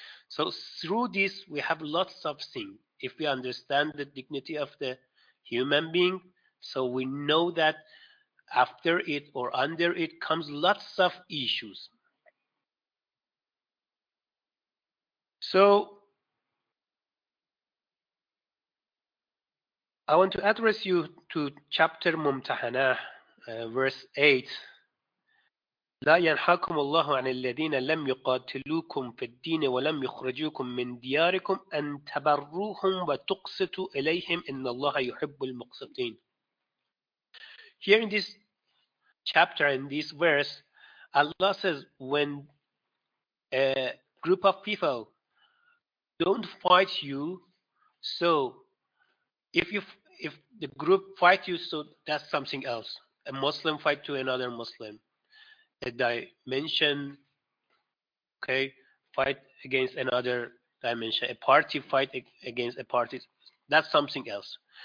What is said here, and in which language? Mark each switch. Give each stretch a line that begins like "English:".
English: So through this we have lots of things. If we understand the dignity of the human being, so we know that after it or under it comes lots of issues. So I want to address you to chapter Mumtahana, verse 8.
Arabic: لا ينهاكم الله عن الذين لم يقاتلوكم في الدين ولم يخرجوكم من دياركم أن تبروهم وتقسطوا إليهم إن الله يحب المقسطين. Here in this chapter, in this verse,
English: Allah says, when a group of people don't fight you, so if the group fight you, so that's something else. A Muslim fight to another Muslim. A dimension, okay, fight against another dimension. A party fight against a party, that's something else.